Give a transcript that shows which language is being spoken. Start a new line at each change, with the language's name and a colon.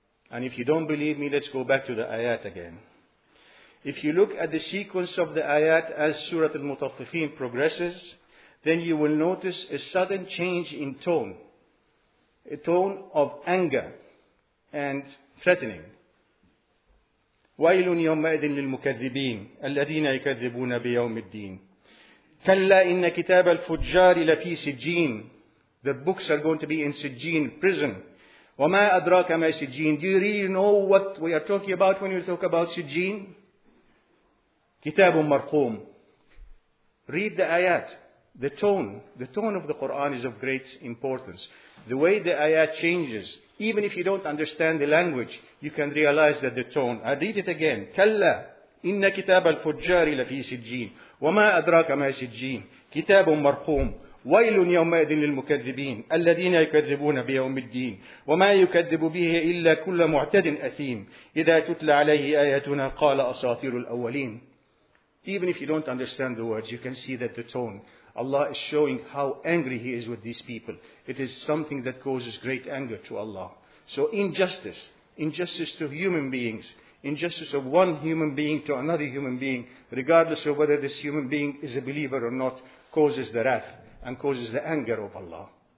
English: And if you don't believe me, let's go back to the ayat again. If you look at the sequence of the ayat as Surah Al-Mutaffifin progresses, then you will notice a sudden change in tone, a tone of anger and threatening.
Arabic: وَيْلٌ يَوْمَئِذٍ لِلْمُكَذِّبِينَ الَّذِينَ يَكَذِّبُونَ بِيَوْمِ الدِّينِ كَلَّا إِنَّ كِتَابَ الْفُجَّارِ لَفِي سِجِّينَ
English: The books are going to be in Sijjin, prison.
Arabic: وَمَا أَدْرَاكَ مَا سِجِّينَ
English: Do you really know what we are talking about when you talk about Sijjin?
Arabic: كِتَابٌ مَرْقُومٌ
English: Read the ayat. The tone of the Quran is of great importance. The way the ayat changes, even if you don't understand the language, you can realize that the tone. I read it again.
Arabic: كَلَّا إِنَّ كِتَابَ الْفُجَّارِ لَفِي سِجِّينَ وَمَا أَدْرَاكَ مَا سِجِّينَ كِتَابٌ مَرْقُومٌ وَيْلٌ يَوْمَئِذٍ لِلْمُكَذِّبِينَ الَّذِينَ يُكَذِّبُونَ بِيَوْمِ الدِّينِ وَمَا يُكَذِّبُ بِهِ إِلَّا كُلَّ مُعْتَدٍ أَثِيمٍ إِذَا تُتْلَى عَلَيْهِ آيَاتُنَا قَالَ أَسَاطِيرُ الْأَوَّلِينَ
English: Even if you don't understand the words, you can see that the tone. Allah is showing how angry He is with these people. It is something that causes great anger to Allah. So injustice, injustice to human beings, injustice of one human being to another human being, regardless of whether this human being is a believer or not, causes the wrath and causes the anger of Allah.